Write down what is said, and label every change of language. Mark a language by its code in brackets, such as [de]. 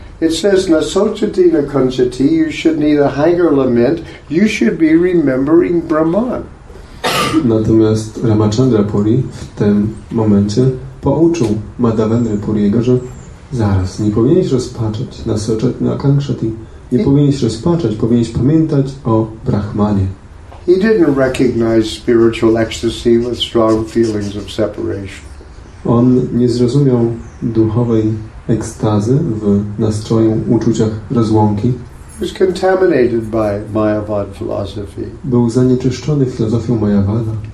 [en] It says, Nasochati na Kanchati, you should neither hang or lament, you should be remembering Brahman. [pl] Natomiast Ramachandra Puri w tym momencie pouczył Madhavendra Puriego, że zaraz, nie powinieneś rozpaczać, Nasochati na Kanchati, nie powinieneś rozpaczać, powinieneś pamiętać o Brahmanie. [en] He didn't recognize spiritual ecstasy with strong feelings of separation. [pl] On nie zrozumiał duchowej ekstazy w nastroju uczuciach rozłąki. [en] He was contaminated by Mayavad philosophy. [pl] Był zanieczyszczony filozofią Mayavada.